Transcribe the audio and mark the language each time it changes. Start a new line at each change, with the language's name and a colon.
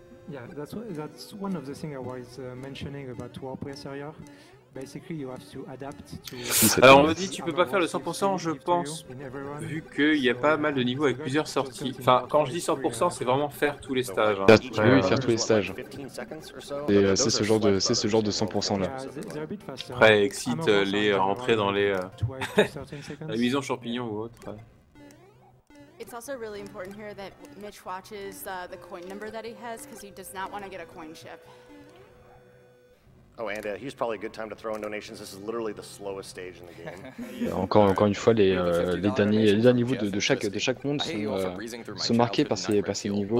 English: Yeah, that's one of the things I was mentioning about WordPress earlier. Basically, you have to adapt to.
French: Alors on me dit tu peux pas faire le 100%, je pense, vu qu'il y a pas mal de niveaux avec plusieurs sorties. Enfin, quand je dis 100%, c'est vraiment faire tous les stages. Hein. Ouais, oui, faire tous les stages. Et c'est ce genre de 100% là. Après, excite les rentrer dans les la maison champignon ou autre.
English: It's also really important here that Mitch watches the coin number that he has because he does not want to get a coin ship. Oh, and here's probably a good time to throw in donations. This is literally the slowest stage in the game.
French: encore une fois, les derniers niveaux de chaque monde sont marqués par ces niveaux.